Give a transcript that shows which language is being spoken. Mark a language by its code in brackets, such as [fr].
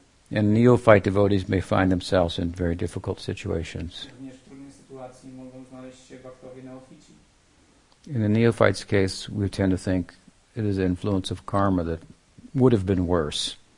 [en] And neophyte devotees may find themselves in very difficult situations. [pl] Również w trudnej sytuacji mogą znaleźć się bhaktowie neofici. [en] In the neophyte's case, we tend to think it is the influence of karma that would have been worse.